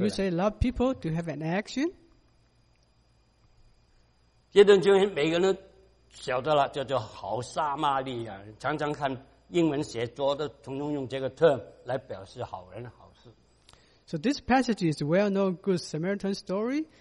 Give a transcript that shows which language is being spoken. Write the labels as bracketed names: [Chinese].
[English] When you say love people, do you have an action? [Chinese] 这段经文每个人都晓得了, 叫做好撒玛利亚人, 常常看英文写作的从中用这个 term 来表示好人好事。 [English] So this passage is a well-known Good Samaritan story.